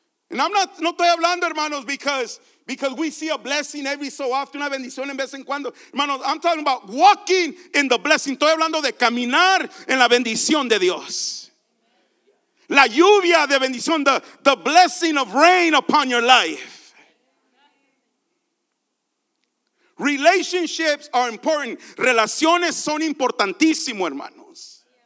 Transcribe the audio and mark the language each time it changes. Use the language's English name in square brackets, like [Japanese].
[Spanish] And no estoy hablando, hermanos, [English] because we see a blessing every so often, [Spanish] una bendición en vez en cuando. [English] Hermanos, I'm talking about walking in the blessing. [Spanish] Estoy hablando de caminar en la bendición de Dios. La lluvia de bendición, [English] the blessing of rain upon your life. Relationships are important. [Spanish] Relaciones son importantísimo, hermanos.